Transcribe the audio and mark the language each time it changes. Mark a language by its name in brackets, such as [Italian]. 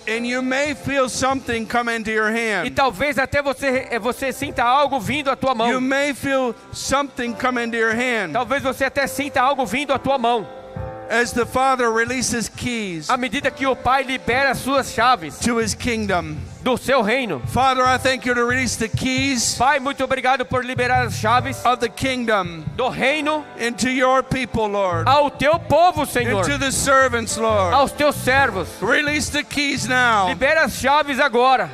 [English] And you may feel something come into your hand. [Portuguese] E talvez até você sinta algo vindo à tua mão. [English] You may feel something come into your hand. [Portuguese] Talvez você até sinta algo vindo à tua mão. [English] As the Father releases keys. [Portuguese] À medida que o Pai libera as suas chaves. [English] To His kingdom. [Portuguese] Do seu reino. [English] Father, I thank you to release the keys. [Portuguese] Pai, muito obrigado por liberar as chaves. [English] Of the kingdom. [Portuguese] Do reino. [English] Into your people, Lord. [Portuguese] Ao teu povo, Senhor. [English] Into the servants, Lord. [Portuguese] Aos teus servos. [English] Release the keys now. [Portuguese] Libera as chaves agora.